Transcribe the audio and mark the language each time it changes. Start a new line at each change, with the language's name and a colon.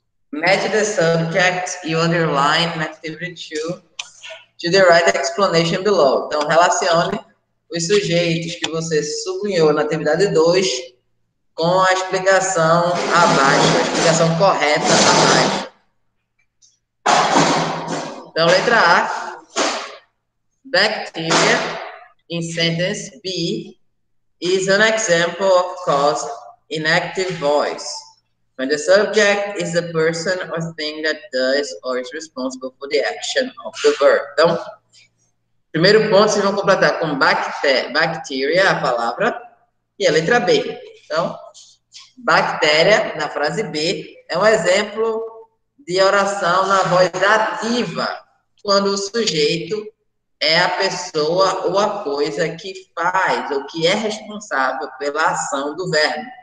English: Match the subject you underline in activity 2 to the right explanation below.
Portuguese: Então, relacione os sujeitos que você sublinhou na atividade 2 com a explicação abaixo, a explicação correta abaixo. Então, letra A,
English: bacteria in sentence B is an example of cause in active voice. When the subject is the person or thing that does or is responsible for the action of the verb.
Portuguese: Então, primeiro ponto, vocês vão completar com bacteria, a palavra, e a letra B. Então, bactéria, na frase B, é um exemplo de oração na voz ativa, quando o sujeito é a pessoa ou a coisa que faz ou que é responsável pela ação do verbo.